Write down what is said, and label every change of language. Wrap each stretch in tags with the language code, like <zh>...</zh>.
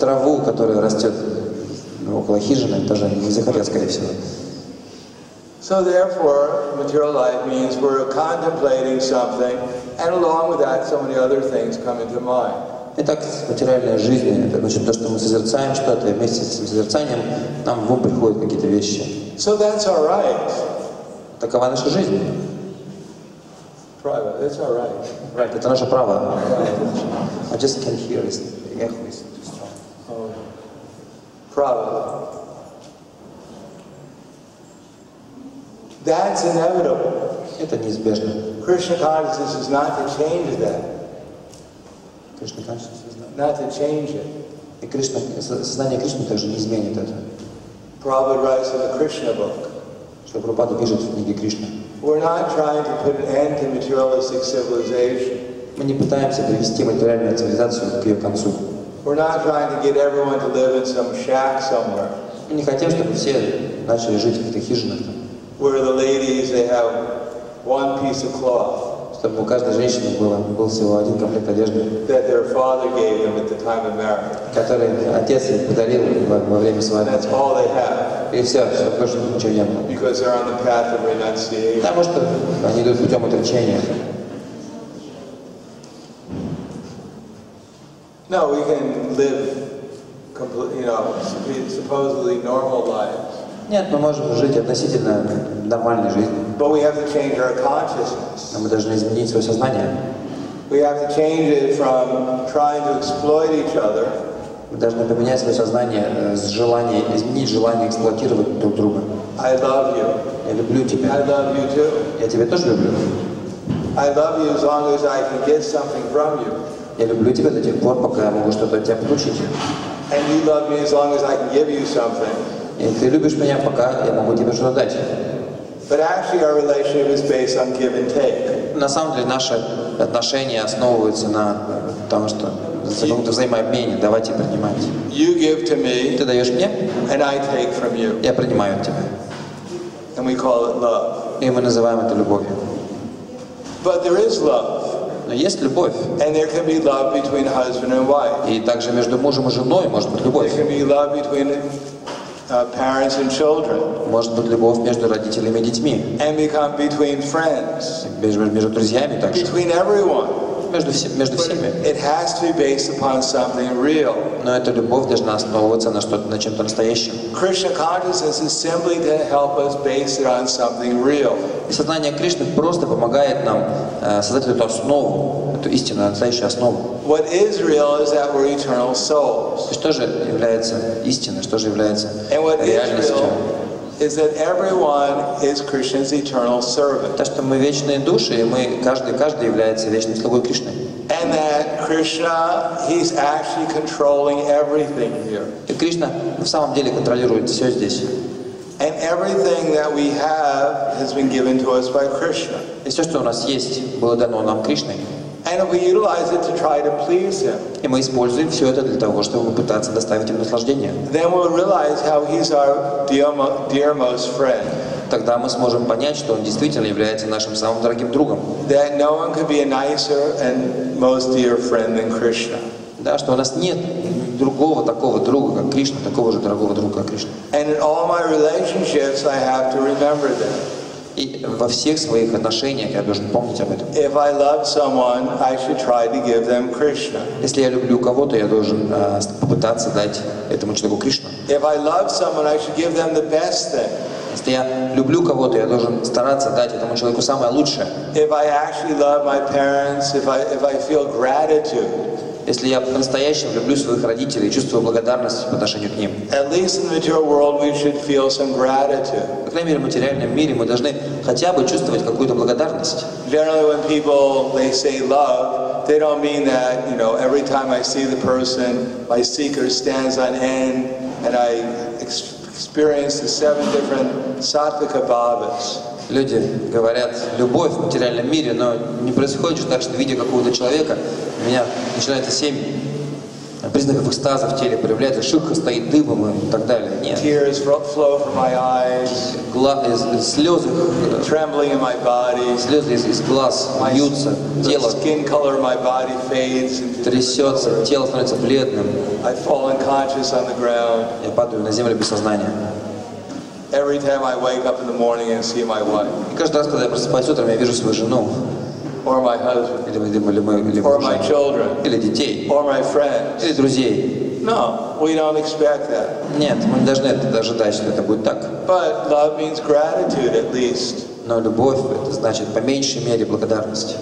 <ru>Траву, которая растет около хижины, тоже не захотят, скорее всего.</ru> <en>So therefore, material life means we're contemplating something, and along with that, so many other things come into mind.</en> <ru>Итак, материальная жизнь — это значит то, что мы созерцаем что-то, и вместе с этим созерцанием нам в ум приходят какие-то вещи.</ru> <en>So that's all right.</en> <ru>Такова наша жизнь.</ru> <en>Private. That's all right. Right.</en> <ru>Это наше право.</ru> <en>I just can't hear this. The echo is too strong. Private. That's inevitable.</en> <ru>Это неизбежно.</ru> <en>Krishna consciousness is not to change that. Krishna consciousness is not to change it.</en> <ru>И Кришна, сознание Кришны также не изменит это.</ru> <en>Prabhupada writes in the Krishna book.</en> <ru>Что Прабхупада пишет в книге Кришна.</ru> <en>We're not trying to put an end to materialistic civilization.</en> <ru>Мы не пытаемся привести материальную цивилизацию к ее концу.</ru> <en>We're not trying to get everyone to live in some shack somewhere.</en> <ru>Мы не хотим, чтобы все начали жить в каких-то хижинах.</ru> <en>Where the ladies, they have one piece of cloth.</en> <ru>Чтобы у каждой женщины был всего один комплект одежды.</ru> <en>That their father gave them at the time of marriage.</en> <ru>Который отец им подарил во время свадьбы.</ru> <en>That's all they have.</en> <ru>И все, все, потому что ничего не было.</ru> <en>Because they're on the path of renunciation.</en> <ru>Потому что они идут путем отречения.</ru> <en>No, we can live completely, you know, supposedly normal lives.</en> <ru>Нет, мы можем жить относительно нормальной жизнью.</ru> <en>But we have to change our consciousness.</en> <ru>Но мы должны изменить свое сознание.</ru> <en>We have to change it from trying to exploit each other.</en> <ru>Мы должны поменять свое сознание с желания, изменить желание эксплуатировать друг друга.</ru> <en>I love you.</en> <ru>Я люблю тебя.</ru> <en>I love you too.</en> <ru>Я тебя тоже люблю.</ru> <en>I love you as long as I can get something from you.</en> <ru>Я люблю тебя до тех пор, пока я могу что-то от тебя получить.</ru> <en>And you love me as long as I can give you something.</en> <ru>И ты любишь меня, пока я могу тебе что-то дать.</ru> <en>But actually our relationship is based on give and take.</en> <ru>На самом деле наши отношения основываются на том, что взаимообмене, давать и принимать.</ru> <en>You give to me,</en> <ru>ты даешь мне,</ru> <en>and I take from you.</en> <ru>Я принимаю от тебя.</ru> <en>And we call it love.</en> <ru>И мы называем это любовью.</ru> <en>But there is love.</en> <ru>Но есть любовь.</ru> <en>And there can be love between husband and wife.</en> <ru>И также между мужем и женой может быть любовь.</ru> <en>There can be love between parents and children.</en> <ru>Может быть любовь между родителями и детьми.</ru> <en>And become between friends.</en> <ru>Между друзьями также.</ru> <en>Between everyone.</en> <ru>Между всеми.</ru> <en>It has to be based upon something real.</en> <ru>Но эта любовь должна основываться на что-то, на чем-то настоящем.</ru> <en>Krishna consciousness is simply to help us base it on something real.</en> <ru>Сознание Кришны просто помогает нам создать эту основу, эту истину, настоящую основу.</ru> <en>What is real is that we're eternal souls.</en> <ru>Что же является истиной, что же является реальностью?</ru> <en>Is that everyone is Krishna's eternal servant?</en> <ru>То, что мы вечные души, и мы каждый является вечным слугой Кришны.</ru> <en>And that Krishna, he's actually controlling everything here.</en> <ru>И Кришна в самом деле контролирует все здесь.</ru> <en>And everything that we have has been given to us by Krishna.</en> <ru>И все, что у нас есть, было дано нам Кришной.</ru> <en>And we utilize it to try to please him.</en> <ru>И мы используем все это для того, чтобы пытаться доставить ему наслаждение.</ru> <en>Then we'll realize how he's our dear most friend.</en> <ru>Тогда мы сможем понять, что он действительно является нашим самым дорогим другом.</ru> <en>That no one could be a nicer and most dear friend than Krishna.</en> <ru>Да, что у нас нет другого такого друга, как Кришна, такого же дорогого друга, как Кришна.</ru> <en>And in all my relationships, I have to remember that.</en> <ru>И во всех своих отношениях я должен помнить об этом.</ru> <en>If I love someone, I should try to give them Krishna.</en> <ru>Если я люблю кого-то, я должен попытаться дать этому человеку Кришну.</ru> <en>If I love someone, I should give them the best thing.</en> <ru>Если я люблю кого-то, я должен стараться дать этому человеку самое лучшее.</ru> <en>If I actually love my parents, if I feel gratitude.</en> <ru>Если я по-настоящему люблю своих родителей и чувствую благодарность по отношению к ним.</ru> <en>At least in the material world we should feel some gratitude.</en> <ru>По крайней мере, в материальном мире мы должны хотя бы чувствовать какую-то благодарность.</ru> <en>Generally, when people, they say love, they don't mean that, you know, every time I see the person, my seeker stands on end, and I experience the seven different sattvika bhavas.</en> <ru>Люди говорят «любовь в материальном мире», но не происходит же так, что, видя какого-то человека, у меня начинается семь признаков экстаза в теле проявляется, шикха стоит дыбом и так далее. Нет.</ru> <en>Tears flow from my eyes.</en> <ru>Слезы.</ru> <en>Trembling in my body.</en> <ru>Слезы из глаз льются. Тело.</ru> <en>Skin color of my body fades.</en> <ru>Трясется. Тело становится бледным.</ru> <en>I fall unconscious on the ground.</en> <ru>Я падаю на землю без сознания.</ru> <en>Every time I wake up in the morning and see my wife.</en> <ru>И каждый раз, когда я просыпаюсь утром, я вижу свою жену.</ru> <en>Or my husband,</en> <ru>или</ru> <en>my children,</en> <ru>или детей,</ru> <en>or my friends,</en> <ru>или друзей.</ru> <en>No, we don't expect that.</en> <ru>Нет, мы не должны это ожидать, что это будет так.</ru> <en>But love means gratitude, at least.</en> <ru>Но любовь это значит по меньшей мере благодарность.</ru>